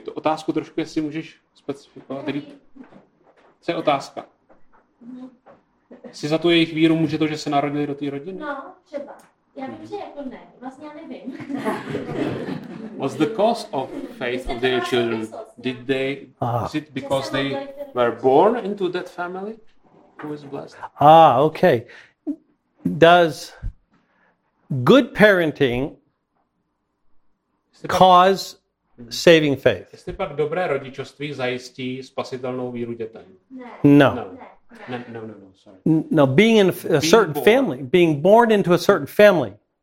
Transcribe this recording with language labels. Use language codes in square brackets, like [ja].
[cs] to otázku trošku, jestli můžeš specifikovat. Co je otázka? Jsi za tu jejich víru může to, že se narodili do té rodiny? No, třeba. Já vím, že jako ne. Vlastně já nevím. [en] What's the cause of faith of their children? Did they? Is it because they were born into that family? Who is blessed? Ah, okay. Does good parenting cause saving faith? [cs] Jestli pak dobré rodičovství zajistí spasitelnou víru dětem? Ne. [en] No. No, sorry. No, being in a certain family, being born into a certain family.